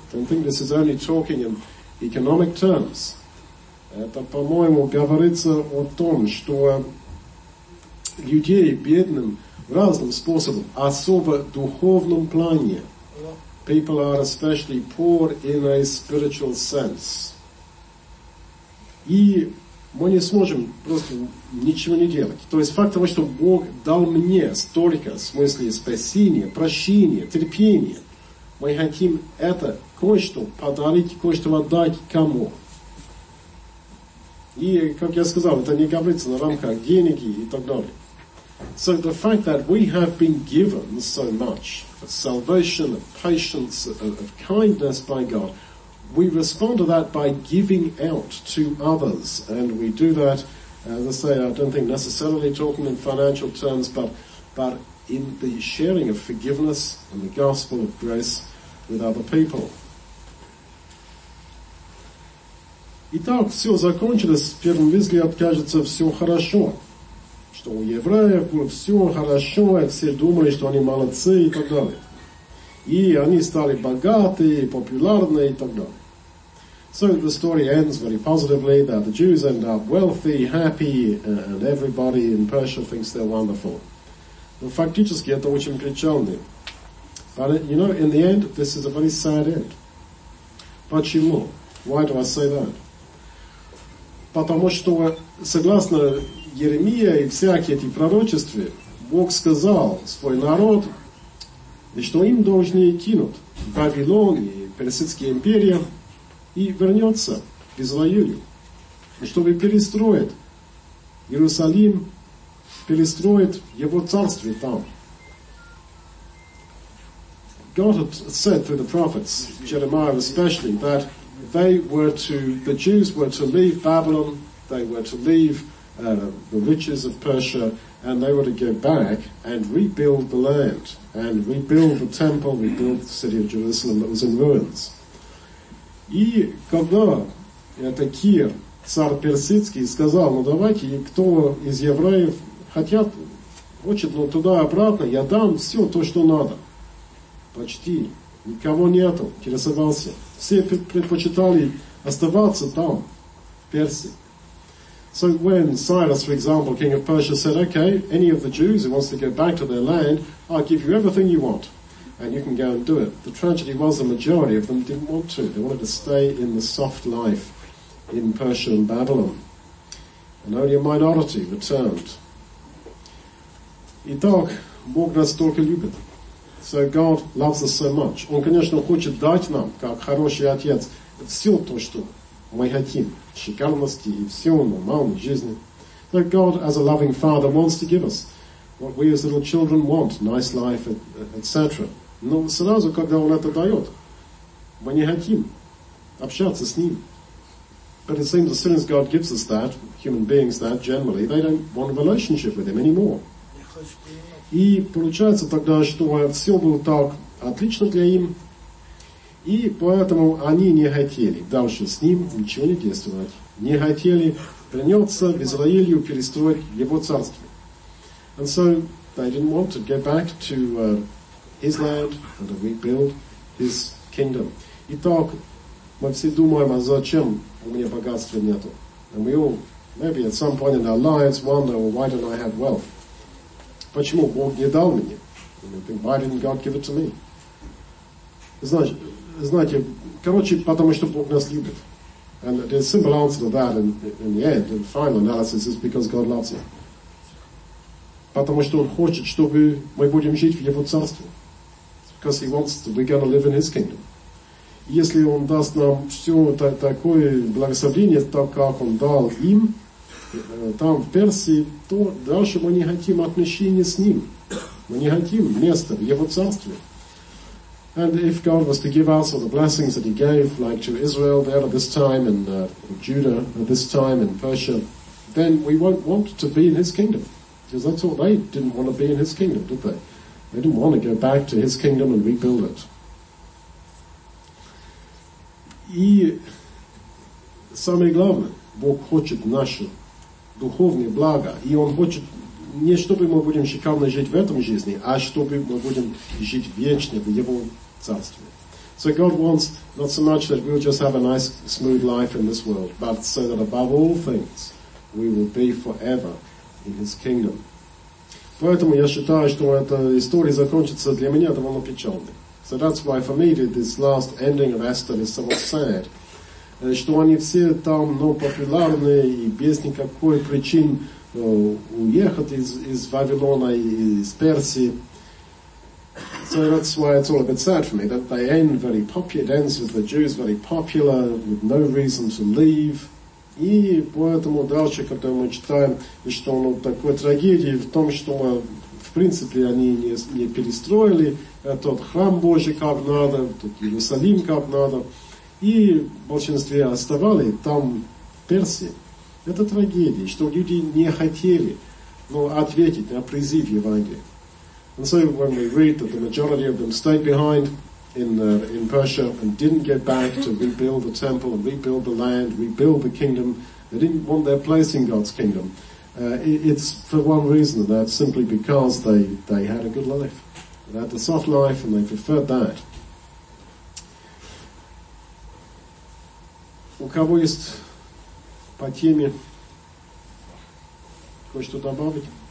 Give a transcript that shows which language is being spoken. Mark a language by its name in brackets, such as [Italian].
[English] Don't think this is only talking in economic terms. [Russian] Это, по-моему, говорится о том, что людей бедным разным способом, особо в духовном плане. [English] People are especially poor in a spiritual sense. [Russian] И мы не сможем просто ничего не делать. То есть факт того, что Бог дал мне столько, в смысле спасения, прощения, терпения, мы хотим это кое-что подарить, кое-что отдать кому. И, как я сказал, это не говорится на рамках денег и так далее. [English] So the fact that we have been given so much of salvation, of patience, of kindness by God, we respond to that by giving out to others. And we do that, as I say, I don't think necessarily talking in financial terms, but in the sharing of forgiveness and the gospel of grace with other people. [Russian] Итак, все закончилось. В первом взгляд, кажется, все хорошо. Что у евреев было все хорошо, и все думали, что они молодцы и так далее. И они стали богаты, популярны и так далее. [English] So the story ends very positively that the Jews end up wealthy, happy, and everybody in Persia thinks they're wonderful. [Russian] Но фактически это очень печально. [English] But you know, in the end, this is a very sad end. [Russian] Почему? [English] Why do I say that? [Russian] Потому что, согласно Еремия и всякие эти пророчества, Бог сказал свой народ, что им должны кинуть в Вавилон и Персидские империи и вернется в Израиль, чтобы перестроить Иерусалим, перестроить его царство там. [English] God had said through the prophets, Jeremiah especially, that the Jews were to leave Babylon, they were to leave the riches of Persia, and they were to go back and rebuild the land, and rebuild the temple, rebuild the city of Jerusalem that was in ruins. [Russian] И когда это Кир, царь персидский, сказал, ну давайте, кто из евреев хочет, ну туда обратно, я дам все то, что надо. Почти никого нету, интересовался. Все предпочитали оставаться там, в Персии. [English] So when Cyrus, for example, king of Persia, said, okay, any of the Jews who wants to go back to their land, I'll give you everything you want, and you can go and do it. The tragedy was the majority of them didn't want to. They wanted to stay in the soft life in Persia and Babylon. And only a minority returned. [Russian] Итак, Бог нас столько любит. [English] So God loves us so much. [Russian] Он, конечно, хочет дать нам, как хороший отец, все то, что Мы хотим шикарности и всего нормальной жизни. [English] That God, as a loving father, wants to give us what we as little children want, nice life, etc. [Russian] Но сразу, когда Он это дает, мы не хотим общаться с Ним. [English] But it seems as soon as God gives us that, human beings that, generally, they don't want a relationship with Him anymore. [Russian] И получается тогда, что все было так отлично для им, и поэтому они не хотели дальше с Ним ничего не действовать. Не хотели приняться в Израилю перестроить Его царство. [English] And so they didn't want to get back to His land and to rebuild His kingdom. [Russian] И так мы все думаем, а зачем у меня богатства нету? [English] And we all, maybe at some point in our lives, wonder, well, why don't I have wealth? [Russian] Почему Бог не дал мне? [English] You think, why didn't God give it to me? [Russian] Знаете, короче, потому что Бог нас любит. [English] And the simple answer to that in the end, in the final analysis, is because God loves you. [Russian] Потому что Он хочет, чтобы мы будем жить в Его царстве. [English] Because He wants that we're going to live in His kingdom. [Russian] И если Он даст нам все такое благословение, так как Он дал им, там, в Персии, то дальше мы не хотим отношения с Ним. Мы не хотим места в Его царстве. [English] And if God was to give us all the blessings that He gave, like to Israel there at this time, and Judah at this time, and Persia, then we won't want to be in His kingdom. Because that's all they didn't want to be in His kingdom, did they? They didn't want to go back to His kingdom and rebuild it. [Russian] И самое главное, Бог хочет наше духовное благо, и Он хочет не чтобы мы будем шикарно жить в этом жизни, а чтобы мы будем жить вечно в Его царстве. [English] So God wants not so much that we'll just have a nice, smooth life in this world, but so that above all things we will be forever in His kingdom. [Russian] Поэтому я считаю, что эта история закончится для меня довольно печальной. [English] So that's why for me this last ending of Esther is somewhat sad. [Russian] Что они все там, ну, популярны и без никакой причин уехать из Вавилона и из Персии. [English] So that's why it's all a bit sad for me, that they end very popular, it ends with the Jews very popular, with no reason to leave. [Russian] И поэтому дальше, когда мы читаем, что, ну, такой трагедии в том, что мы, в принципе, они не перестроили этот храм Божий как надо, тот Иерусалим как надо, и в большинстве оставали там, в Персии. Это трагедия, что люди не хотели, ну, ответить на призыв Евангелия. [English] And so when we read that the majority of them stayed behind in Persia and didn't get back to rebuild the temple and rebuild the land, rebuild the kingdom, they didn't want their place in God's kingdom. It's for one reason, and that's simply because they had a good life. They had a soft life and they preferred that. [Russian] У кого есть по теме кое-что добавить?